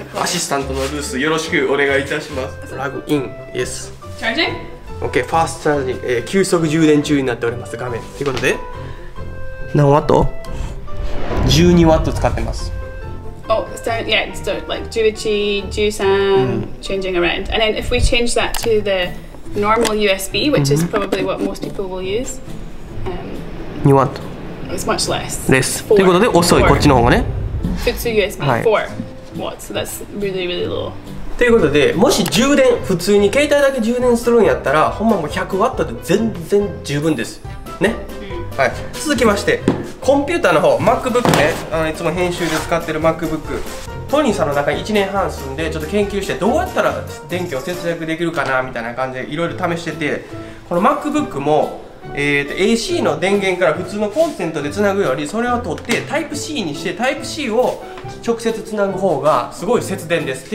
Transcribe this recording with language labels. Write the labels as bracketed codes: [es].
[ja] アシスタントのルース、よろしくお願いいたします。 [en] プラグイン、イエス。チャージング ? OK、ファーストチャージング、 [ja] 急速充電中になっております、画面。ということで、何ワット?12ワット使ってます。 [en] Oh, so yeah, so like [ja] Juichi, Juusan, [en] changing around. And then if we change that to the normal USB, which is probably what most people will use, you want? It's much less. Less. [ja] ということで遅いこっちの方がね。 [en] Futsu USB 4 watts. So that's really, really low. [ja] ということで、もし充電、普通に携帯だけ充電するんやったら、ほんまもう 100W で全然十分です。ね。はい。続きまして、コンピューターの方、MacBook ね、いつも編集で使ってる MacBook、トニーさんの中に1年半住んで、ちょっと研究して、どうやったら電気を節約できるかなみたいな感じで、いろいろ試してて、この MacBook も、AC の電源から普通のコンセントでつなぐより、それを取って、Type-C にして、Type-C を直接つなぐ方がすごい節電です。